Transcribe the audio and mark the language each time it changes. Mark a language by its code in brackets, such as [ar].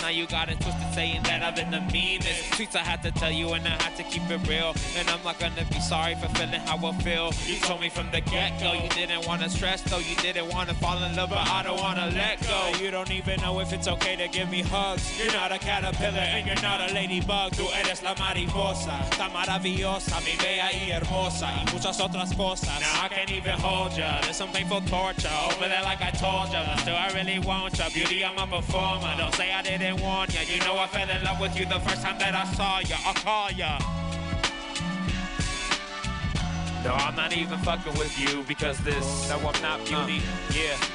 [en] Now you got it twisted saying that I've been the meanest. Tweets I had to tell you and I had to keep it real. And I'm not gonna be sorry for feeling how I feel. You told me from the get-go you didn't wanna stress though. You didn't wanna fall in love, but I don't wanna let go. You don't even know if it's okay to give me hugs. You're not a caterpillar and you're not a ladybug. [es] Tú eres la mariposa, está maravillosa, mi bella y hermosa, y muchas otras cosas. [en] I can't even hold ya. There's some painful torture over there, like I told ya. Still, I really want ya. Beauty, I'm a performer. Don't say I didn't warn ya. You know I fell in love with you the first time that I saw ya. I'll call ya. No, I'm not even fucking with you because this. No, I'm not beauty. Yeah.